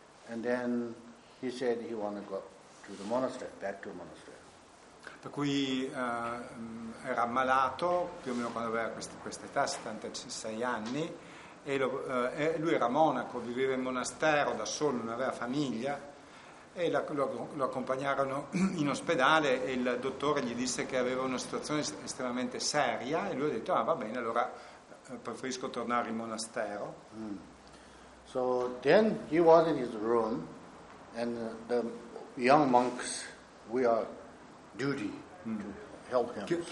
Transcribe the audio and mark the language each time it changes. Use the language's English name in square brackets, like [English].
[English] And then he said he wanted to go to the monastery, back to the monastery. [Italian] Per cui era malato più o meno quando aveva questa età, 76 anni, e lui era monaco, viveva in monastero da solo, non aveva famiglia, e lo accompagnarono in ospedale e il dottore gli disse che aveva una situazione estremamente seria e lui ha detto, ah va bene, allora preferisco tornare in monastero. Mm. [English] So then he was in his room and the young monks, we are duty to help him.